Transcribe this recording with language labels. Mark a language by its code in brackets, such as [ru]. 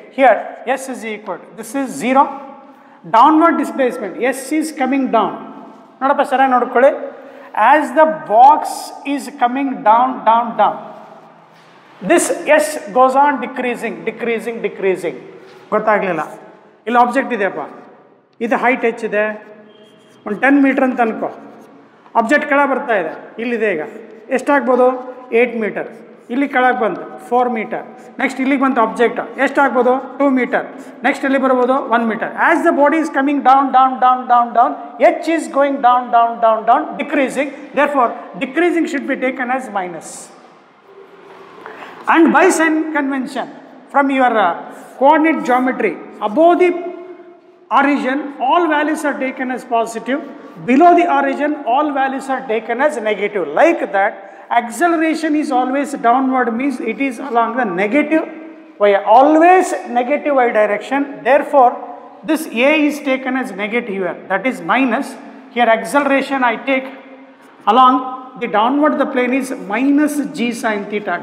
[en] Here S is equal to, this is zero. Downward displacement, S is coming down. [kn] Nodappa sarai nodukkole. [en] As the box is coming down, down, down, this S goes on decreasing, decreasing, decreasing. [kn] ಗೊತ್ತಾಗಲಿಲ್ಲ, ಇಲ್ಲಿ object ಇದೆಯಪ್ಪ, ಇದು height ಹೆಚ್ಚಿದೆ, ಒಂದು 10 meters ಅಂತ ಅನ್ಕೋ. Object ಕೆಳಗೆ ಬರ್ತಾ ಇದೆ, ಇಲ್ಲಿದೆ. ಈಗ ಎಷ್ಟಾಗ್ಬೋದು? 8 meters. ಇಲ್ಲಿ ಕೆಳಗೆ ಬಂತು 4 meters. ನೆಕ್ಸ್ಟ್ ಇಲ್ಲಿಗೆ ಬಂತು ಆಬ್ಜೆಕ್ಟ್, ಎಷ್ಟಾಗ್ಬೋದು? 2 meters. ನೆಕ್ಸ್ಟ್ ಇಲ್ಲಿ ಬರ್ಬೋದು [en] 1 meter. As the body is coming down down down down down, H is going down down down down, decreasing. Therefore decreasing should be taken as minus. And by sign convention from your coordinate geometry, above the origin all values are taken as positive, below the origin all values are taken as negative. Like that acceleration is always downward, means it is along the negative y, always negative y direction. Therefore this a is taken as negative here, that is minus. Here acceleration I take along the downward the plane is minus g sin theta.